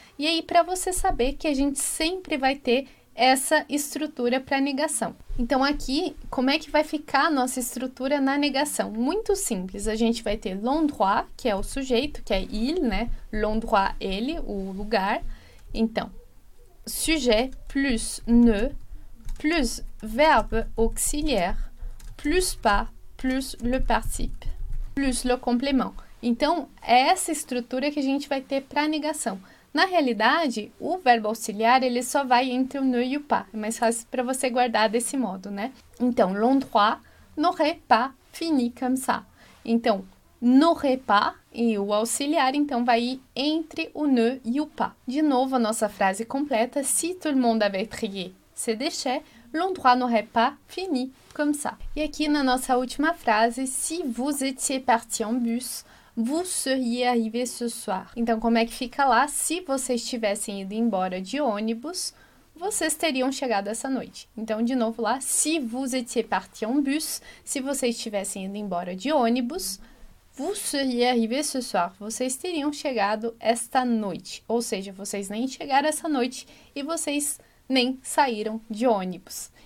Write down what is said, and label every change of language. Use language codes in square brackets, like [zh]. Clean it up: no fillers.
[pt] E aí, para você saber que a gente sempre vai ter essa estrutura para a negação. Então, aqui, como é que vai ficar a nossa estrutura na negação? Muito simples, a gente vai ter l'endroit, que é o sujeito, que é il, né, l'endroit, ele, o lugar. Então, [fr] sujet plus ne plus verbe auxiliaire plus pas plus le participe plus le complément. [pt] Então, é essa estrutura que a gente vai ter para a negação. Na realidade, o verbo auxiliar ele só vai entre o ne e o pas. É mais fácil para você guardar desse modo, né? [fr] Então, l'endroit n'aurait pas fini comme ça. Então, n'aurait pas. [pt] E o auxiliar, então, vai ir entre o ne e o pas. De novo, a nossa frase completa. [fr] Si tout le monde avait trié ses déchets, l'endroit n'aurait pas fini comme ça. [pt] E aqui na nossa última frase. [fr] Si vous étiez parti en bus, vous seriez arrivé ce soir. [pt] Então, como é que fica lá? Se vocês tivessem ido embora de ônibus, vocês teriam chegado essa noite. Então, de novo lá. [fr] Si vous étiez parti en bus, [pt] se vocês tivessem ido embora de ônibus, [fr] vous seriez arrivés ce soir. [pt] Vocês teriam chegado esta noite. Ou seja, vocês nem chegaram essa noite e vocês nem saíram de ônibus.